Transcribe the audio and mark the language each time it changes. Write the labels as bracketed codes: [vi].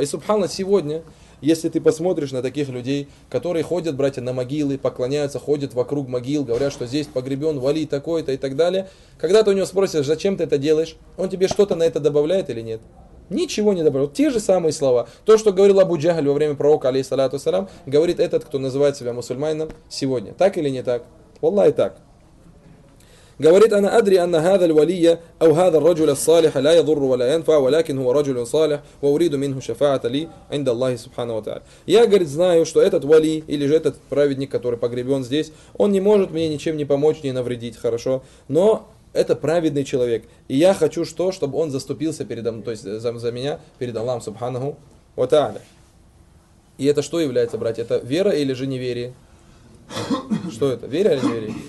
[ru] И, субханна, сегодня, если ты посмотришь на таких людей, которые ходят, братья, на могилы, поклоняются, ходят вокруг могил, говорят, что здесь погребен вали такой-то и так далее. Когда ты у него спросишь, зачем ты это делаешь, он тебе что-то на это добавляет или нет? Ничего не добавляет. Те же самые слова. То, что говорил Абу Джахль во время пророка, алейхиссалату вассалям, говорит этот, кто называет себя мусульманином сегодня. Так или не так? Валлай, так. Говорит, [ar] انا ادري ان هذا الولي او هذا الرجل الصالح لا يضر ولا ينفع ولكن هو رجل صالح واريد منه شفاعه لي عند الله سبحانه وتعالى. [ru] Я, говорит, знаю, что этот вали или же этот праведник, который погребен здесь, он не может мне ничем не помочь, не навредить, хорошо, но это праведный человек, и я хочу, что, чтобы он заступился передо мной, то есть за меня перед Аллахом субханаху ва тааля. И это что является, братья, это вера или же неверие? Что это? Верие или неверие?